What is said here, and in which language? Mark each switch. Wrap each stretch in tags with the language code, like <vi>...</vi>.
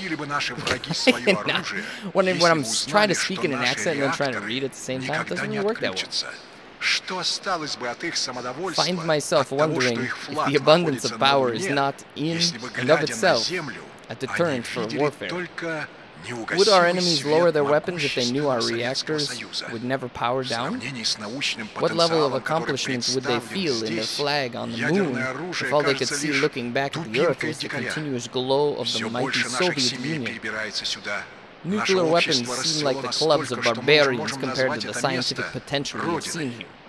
<en>I'm trying to speak in an accent and then trying to read at the same time, it doesn't really work that way.</en> <ru>Что осталось бы от их самодовольства, от того, что их флаг находится на Луне, если бы, глядя на Землю, они видели только неугасимый</ru> <en>Would our enemies lower their weapons if they knew our reactors would never power down? What level of accomplishment would they feel in their flag on the moon if all they could see looking back at the Earth was the continuous glow of the mighty Soviet Union? Nuclear weapons seem like the clubs of barbarians compared to the scientific potential we've seen here.</en>